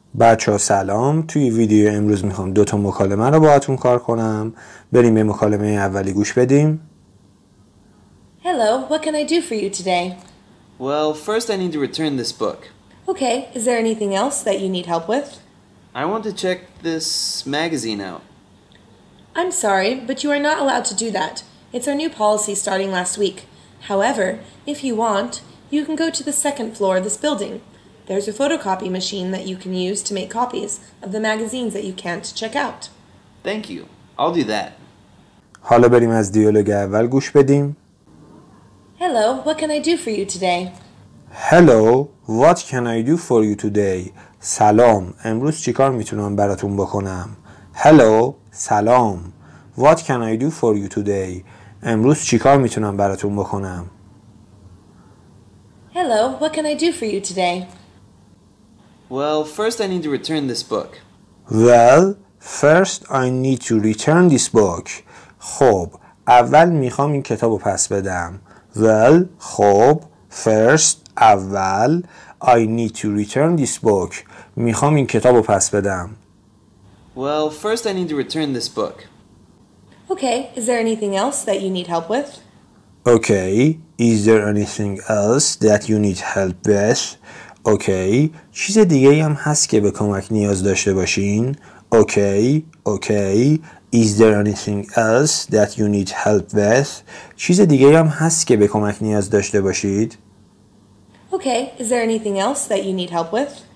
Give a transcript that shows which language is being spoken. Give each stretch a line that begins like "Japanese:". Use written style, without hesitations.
Persian: بچه ها سلام، توی ویدیو امروز میخوام دوتا مکالمه رو باهاتون کار کنم. بریم به مکالمه اولی گوش بدیم.
English: Hello, what can I do for you today? Well, first I need to return this book. Okay, is there anything else that you need help with? I want to check this magazine out. I'm sorry, but you are not allowed to do that. It's our new policy starting last week. However, if you want, you can go to the second floor of this building. There's a photocopy machine that you can use to make copies of the magazines that you can't check out. Thank you. I'll do that.
Persian: حالا بریم از دیالوگ اول گوش بدیم.
English: Hello, what can I do for you today? Hello, what can I do for you today?
Persian: سلام، امروز چیکار میتونم براتون بکنم؟
English: Hello,
Persian: سلام.
English: What can I do for you today?
Persian: امروز چیکار میتونم براتون بکنم؟
English: Hello, what can I do for you today? Well, first I need to return this book. Well, first I need to return this book.
Persian: خب، اول میخوام این کتابو پس بدم.
English: Well,
Persian: خب،
English: first
Persian: اول
English: I need to return this book.
Persian: میخوام این کتابو پس بدم.
English: Well, first I need to return this book. Okay, is there anything else that you need help with? Okay, is there anything else that you need help with?
Persian: اوکی، چیز دیگه هم هست که به کمک نیاز داشته باشین؟ اوکی، اوکی،
English: is there anything else that you need help with؟
Persian: چیز دیگه هم هست که به کمک نیاز داشته باشید؟
English: Okay, is there anything else that you need help with؟